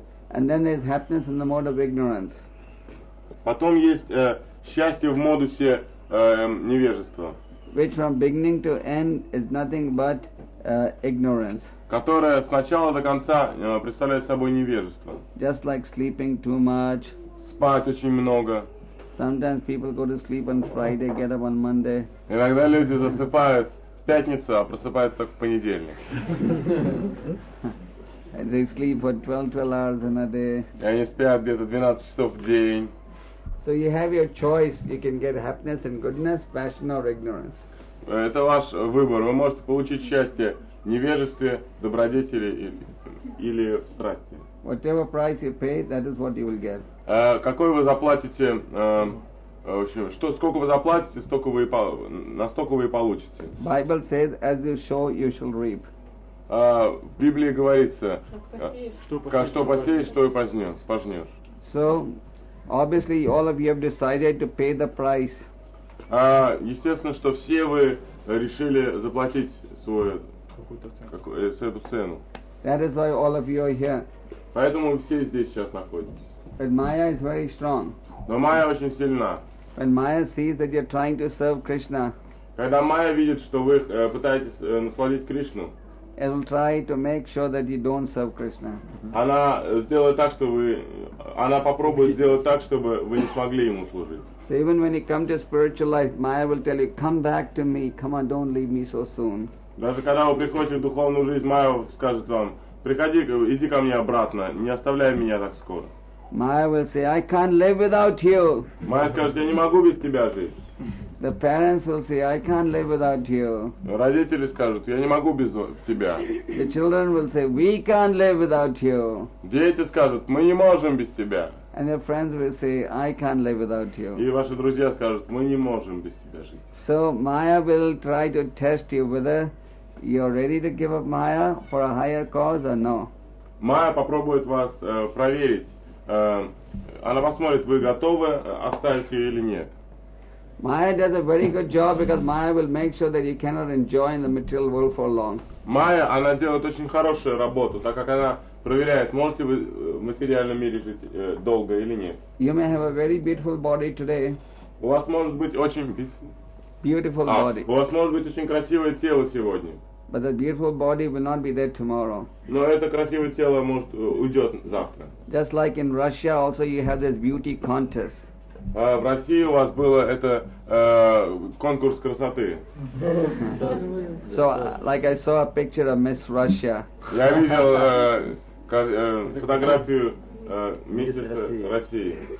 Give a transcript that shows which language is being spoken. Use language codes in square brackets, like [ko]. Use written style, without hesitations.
[en] And then there's happiness in the mode of ignorance. [ru] Потом есть счастье в модусе невежества. [en] Which from beginning to end is nothing but ignorance. [ru] Которое с начала до конца представляет собой невежество. [en] Just like sleeping too much. [ru] Спать очень много. [en] Sometimes people go to sleep on Friday, get up on Monday. [ru] Иногда люди засыпают пятница, а просыпается только в понедельник. [en] And they sleep for 12 hours in a day. [ru] И они спят где-то 12 часов в день. [en] So you have your choice. You can get happiness and goodness, passion or ignorance. [ru] Это ваш выбор. Вы можете получить счастье в невежестве, добродетели или в страсти. [en] Whatever price you pay, that is what you will get. [ru] Какой вы заплатите, в общем, что, сколько вы заплатите, столько вы и получите. [en] Bible says, as you sow, you shall reap. [ru] в Библии говорится, что посеешь, то и пожнешь. [en] So, obviously, all of you have decided to pay the price. [ru] Естественно, что все вы решили заплатить свою какую-то цену. [en] That is why all of you are here. [ru] Поэтому все здесь сейчас находитесь. [en] But Maya is very strong. [ru] Но Майя очень сильна. [en] When Maya sees that you're trying to serve Krishna, [ru] когда Майя видит, что вы пытаетесь насладить Кришну, [en] it will try to make sure that you don't serve Krishna. [ru] Она попробует сделать так, чтобы вы не смогли ему служить. [en] So even when you come to spiritual life, Maya will tell you, come back to me, come on, don't leave me so soon. [ru] Даже когда вы приходите в духовную жизнь, Майя скажет вам, приходи, иди ко мне обратно, не оставляй меня так скоро. [en] Maya will say, I can't live without you. [ru] Майя скажет, я не могу без тебя жить. [en] The parents will say, I can't live without you. [ru] Родители скажут, я не могу без тебя. [en] The children will say, we can't live without you. [ru] Дети скажут, мы не можем без тебя. [en] And your friends will say, I can't live without you. [ru] И ваши друзья скажут, мы не можем без тебя жить. [en] So Maya will try to test you whether you're ready to give up Maya for a higher cause or no. [ru] Maya попробует вас проверить. Она посмотрит, вы готовы оставить ее или нет. [en] Maya does a very good job because Maya will make sure that you cannot enjoy in the material world for long. [ru] Maya, она делает очень хорошую работу, так как она проверяет, можете вы в материальном мире жить долго или нет. [en] You may have a very beautiful body today. [ru] У вас может быть очень [en] beautiful body. [ru] У вас может быть очень красивое тело сегодня. [en] But the beautiful body will not be there tomorrow. [ru] Но это красивое тело может уйдет завтра. [en] Just like in Russia, also you have this beauty contest. [ru] В России у вас было это конкурс красоты. [en] So, like I saw a picture of Miss Russia. [ru] Я видел фотографию миссис России.